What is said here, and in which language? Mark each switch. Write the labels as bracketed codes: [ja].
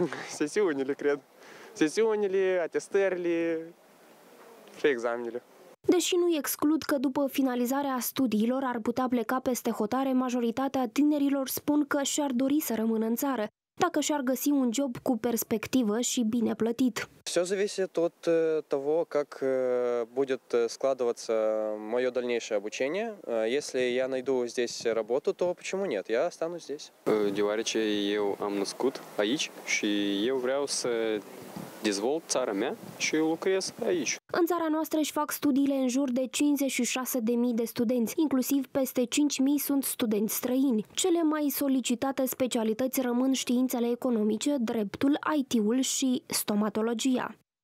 [ro] Sesiunile, cred. Sesiunile, atestările. Deși nu exclud că după finalizarea studiilor ar putea pleca peste hotare, majoritatea tinerilor spun că și-ar dori să rămână în țară, dacă și-ar găsi un job cu perspectivă și bine plătit. [ru] Все зависит тот того, как будет складываться мое дальнейшее обучение. Если я найду здесь работу, то почему нет? Я останусь здесь. [ro] Деварече eu am născut aici și eu vreau să dezvolt țara mea și eu lucrez aici. În țara noastră își fac studiile în jur de 56.000 de studenți, inclusiv peste 5.000 sunt studenți străini. Cele mai solicitate specialități rămân științele economice, dreptul, IT-ul și stomatologia.